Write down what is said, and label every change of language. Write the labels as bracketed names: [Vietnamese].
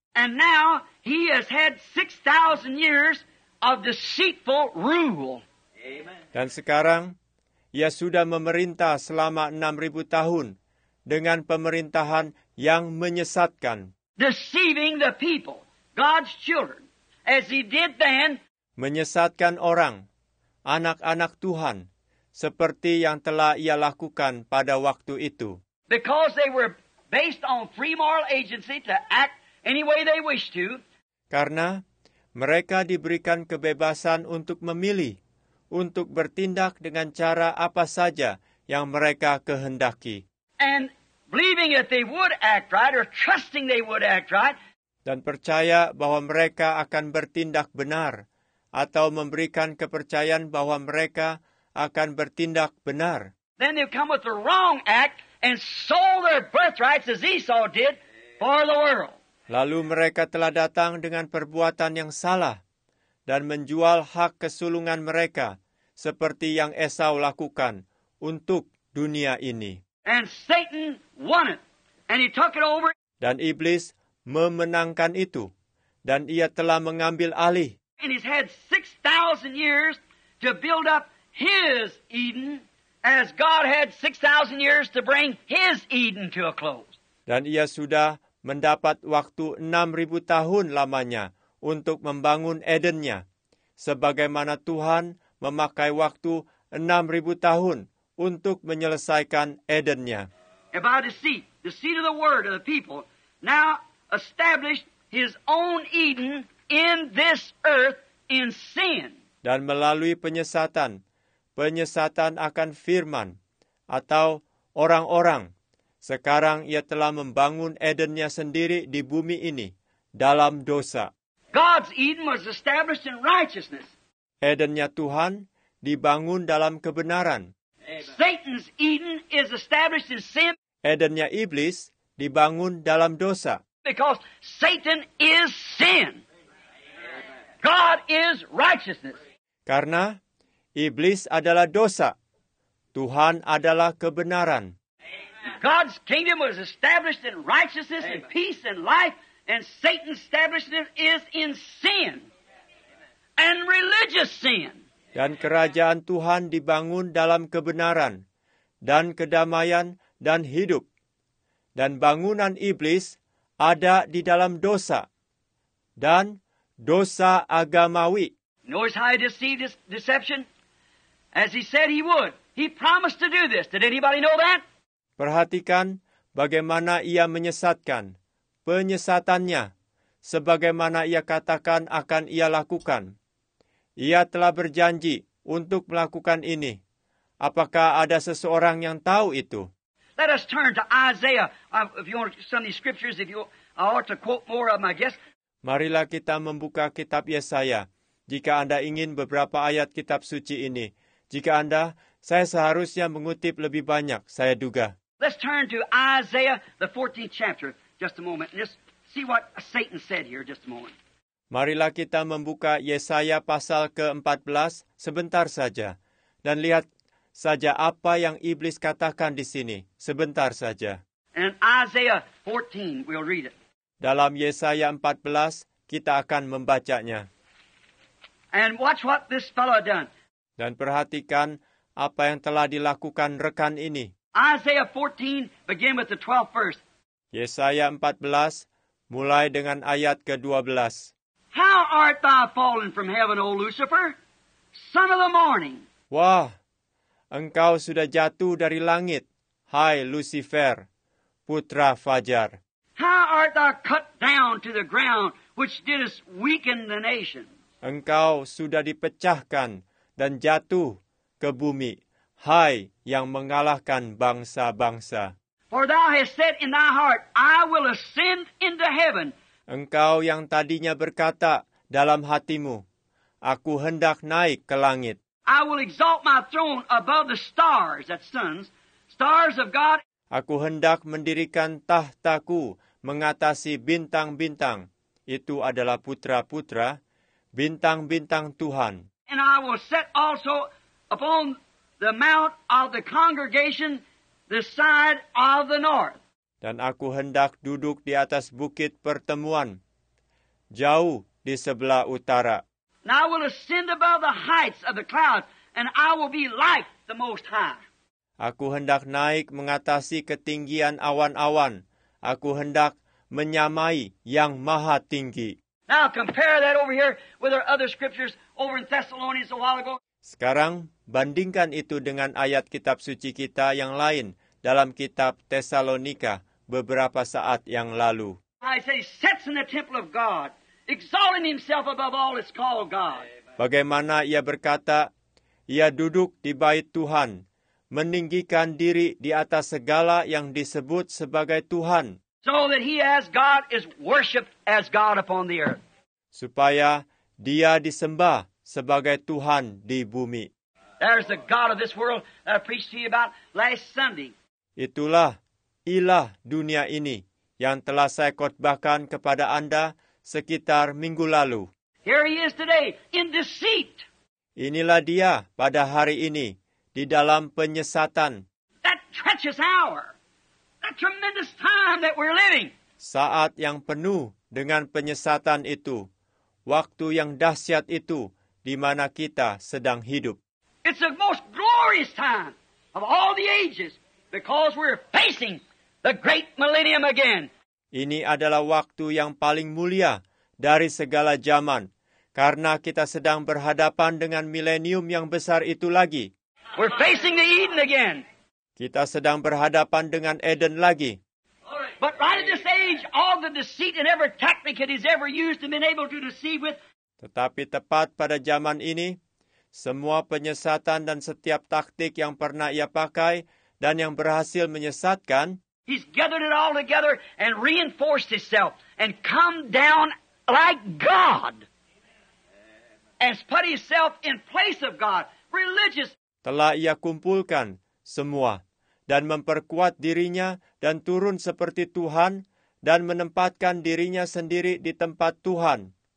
[English] And now he has had 6,000 years of deceitful rule. Amen. [Indonesian] Dan sekarang, ia sudah memerintah selama 6,000 tahun dengan pemerintahan yang menyesatkan. [English] Deceiving the people, God's children, as he did then. [Indonesian] Menyesatkan orang, anak-anak Tuhan, seperti yang telah ia lakukan pada waktu itu. [English] Because they were based on free moral agency to act any way they wish to. [Indonesian] Karena mereka diberikan kebebasan untuk memilih, untuk bertindak dengan cara apa saja yang mereka kehendaki. [English] And believing that they would act right, or trusting they would act right. [Indonesian] Dan percaya bahwa mereka akan bertindak benar, atau memberikan kepercayaan bahwa mereka akan bertindak benar. [English] Then they come with the wrong act and sold their birthrights as Esau did for the world. [Indonesian] Lalu mereka telah datang dengan perbuatan yang salah dan menjual hak kesulungan mereka seperti yang Esau lakukan untuk dunia ini. [English] And Satan won it and he took it over. [Indonesian] Dan iblis memenangkan itu dan ia telah mengambil alih. [English] And he's had 6,000 years to build up his Eden as God had 6,000 years to bring his Eden to a close. [Indonesian] Dan ia sudah mendapat waktu 6,000 tahun lamanya untuk membangun Edennya, sebagaimana Tuhan memakai waktu 6,000 tahun untuk menyelesaikan Edennya. [English] And by the seed of the word of the people, now established his own Eden in this earth in sin. [Indonesian] Dan melalui penyesatan, penyesatan akan firman, atau orang-orang, sekarang ia telah membangun Edennya sendiri di bumi ini dalam dosa. [English] God's Eden was established in righteousness. [Indonesian] Edennya Tuhan dibangun dalam kebenaran. [English] Amen. Satan's Eden is established in sin. [Indonesian] Edennya iblis dibangun dalam dosa. [English] Because Satan is sin. God is righteousness. [Indonesian] Karena iblis adalah dosa. Tuhan adalah kebenaran. [English] God's kingdom was established in righteousness. Amen. And peace and life, and Satan's establishment is in sin. Amen. And religious sin. [Indonesian] Dan kerajaan Tuhan dibangun dalam kebenaran dan kedamaian dan hidup. Dan bangunan iblis ada di dalam dosa dan dosa agamawi. [English] Notice how he deceived his deception? As he said he would. He promised to do this. Did anybody know that? [Indonesian] Perhatikan bagaimana ia menyesatkan, penyesatannya, sebagaimana ia katakan akan ia lakukan. Ia telah berjanji untuk melakukan ini. Apakah ada seseorang yang tahu itu? [English] Let us turn to Isaiah. If you want some of these scriptures, if you, I ought to quote more of them, I guess. [Indonesian] Marilah kita membuka kitab Yesaya. Jika Anda ingin beberapa ayat kitab suci ini, jika Anda, saya seharusnya mengutip lebih banyak, saya duga. [English] Let's turn to Isaiah, the 14th chapter, just a moment. Just see what Satan said here, just a moment. [Indonesian] Marilah kita membuka Yesaya pasal ke-14 sebentar saja. Dan lihat saja apa yang iblis katakan di sini. Sebentar saja. [English] In Isaiah 14, we'll read it. [Indonesian] Dalam Yesaya 14, kita akan membacanya. [English] And watch what this fellow done. [Indonesian] Dan perhatikan apa yang telah dilakukan rekan ini. [English] Isaiah 14, begin with the 12th verse. [Indonesian] Yesaya 14, mulai dengan ayat ke-12. [English] How art thou fallen from heaven, O Lucifer, son of the morning? [Indonesian] Wah, engkau sudah jatuh dari langit, hai Lucifer, putra fajar. [English] How art thou cut down to the ground, which didst weaken the nation? [Indonesian] Engkau sudah dipecahkan dan jatuh ke bumi, hai yang mengalahkan bangsa-bangsa. [English] For thou hast said in thy heart, I will ascend into heaven. [Indonesian] Engkau yang tadinya berkata dalam hatimu, aku hendak naik ke langit. [English] I will exalt my throne above the stars, that's suns, stars of God. [Indonesian] Aku hendak mendirikan tahtaku mengatasi bintang-bintang, itu adalah putra-putra, bintang-bintang Tuhan. [English] And I will set also upon the mount of the congregation the side of the north. [Indonesian] Dan aku hendak duduk di atas bukit pertemuan, jauh di sebelah utara. [English] Now I will ascend above the heights of the clouds, and I will be like the Most High. [Indonesian] Aku hendak naik mengatasi ketinggian awan-awan. Aku hendak menyamai yang maha tinggi. [English] Now compare that over here with our other scriptures over in Thessalonians a while ago. [Indonesian] Sekarang bandingkan itu dengan ayat kitab suci kita yang lain dalam kitab Tesalonika beberapa saat yang lalu. [English] I say sits in the temple of God, exalting himself above all that's called God. [Indonesian] Bagaimana ia berkata, ia duduk di bait Tuhan, meninggikan diri di atas segala yang disebut sebagai Tuhan. [English] So that he as God is worshipped as God upon the earth. [Indonesian] Supaya dia disembah sebagai Tuhan di bumi. [English] There's the God of this world that I preached to you about last Sunday. [Indonesian] Itulah ilah dunia ini yang telah saya khotbahkan kepada Anda sekitar minggu lalu. [English] Here he is today in deceit. [Indonesian] Inilah dia pada hari ini di dalam penyesatan. [English] That treacherous hour. That tremendous time that we're living. [Indonesian] Saat yang penuh dengan penyesatan itu. Waktu yang dahsyat itu di mana kita sedang hidup. [English] It's the most glorious time of all the ages because we're facing the great millennium again. [Indonesian] Ini adalah waktu yang paling mulia dari segala zaman karena kita sedang berhadapan dengan milenium yang besar itu lagi. [English] We're facing the Eden again. [Indonesian] Kita sedang berhadapan dengan Eden lagi. [English] But right at this age, all the deceit and every tactic that he's ever used and been able to deceive with. [Indonesian] Tetapi tepat pada zaman ini, semua penyesatan dan setiap taktik yang pernah ia pakai dan yang berhasil menyesatkan, [English] he's gathered it all together and reinforced himself and come down like God and put himself in place of God, religious. [Indonesian] Telah ia kumpulkan semua dan memperkuat dirinya dan turun seperti Tuhan dan menempatkan dirinya sendiri di tempat Tuhan.